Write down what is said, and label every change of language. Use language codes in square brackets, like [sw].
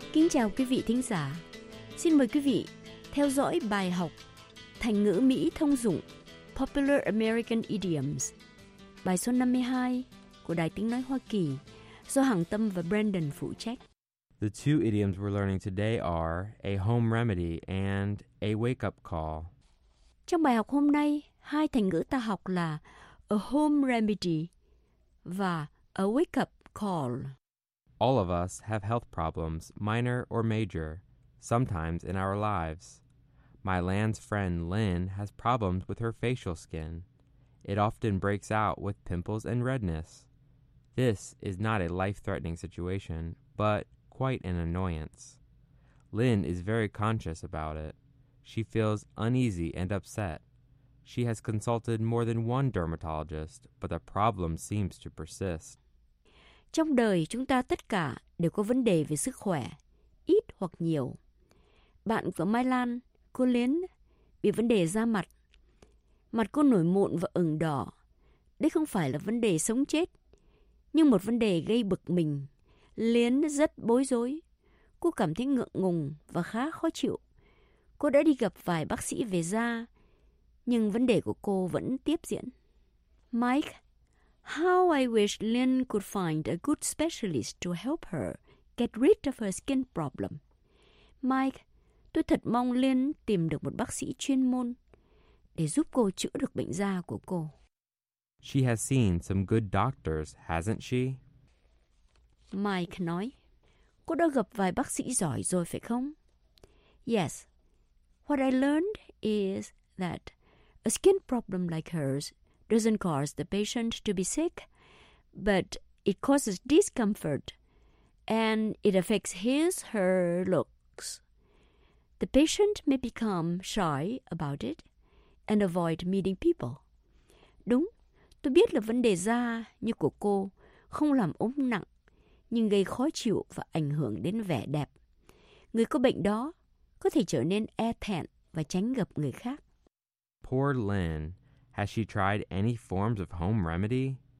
[vi] Chào quý vị thính giả. Xin mời quý vị theo dõi bài học Thành ngữ Mỹ thông dụng [en] Popular American Idioms, [vi] bài số 52 của Đài Tiếng Nói Hoa Kỳ do Hằng Tâm và Brandon phụ trách. [en] The two idioms we're learning today are a home remedy and a wake-up call. [vi] Trong bài học hôm nay, hai thành ngữ ta học là [en] a home remedy [vi] và [en] a wake-up call. All of us have health problems, minor or major, sometimes in our lives. My land's friend Lynn has problems with her facial skin. It often breaks out with pimples and redness. This is not a life-threatening situation, but quite an annoyance. Lynn is very conscious about it. She feels uneasy and upset. She has consulted more than one dermatologist, but the problem seems to persist. [vi] Trong đời, chúng ta tất cả đều có vấn đề về sức khỏe, ít hoặc nhiều. Bạn của Mai Lan, cô Lynn, bị vấn đề da mặt. Mặt cô nổi mụn và ửng đỏ. Đây không phải là vấn đề sống chết, nhưng một vấn đề gây bực mình. Lynn rất bối rối. Cô cảm thấy ngượng ngùng và khá khó chịu. Cô đã đi gặp vài bác sĩ về da, nhưng vấn đề của cô vẫn tiếp diễn. [en] Mike, how I wish Lynn could find a good specialist to help her get rid of her skin problem. [vi] Mike, tôi thật mong Lynn tìm được một bác sĩ chuyên môn để giúp cô chữa được bệnh da của cô. [en] She has seen some good doctors, hasn't she? [vi] Mike nói, cô đã gặp vài bác sĩ giỏi rồi phải không? [en] Yes. What I learned is that a skin problem like hers doesn't cause the patient to be sick, but it causes discomfort and it affects his, her looks. The patient may become shy about it and avoid meeting people. [vi] Đúng, tôi biết là vấn đề da như của cô không làm ốm nặng, nhưng gây khó chịu và ảnh hưởng đến vẻ đẹp. Người có bệnh đó có thể trở nên e thẹn và tránh gặp người khác. [en] Poor Lynn. Has she tried any forms of home remedy?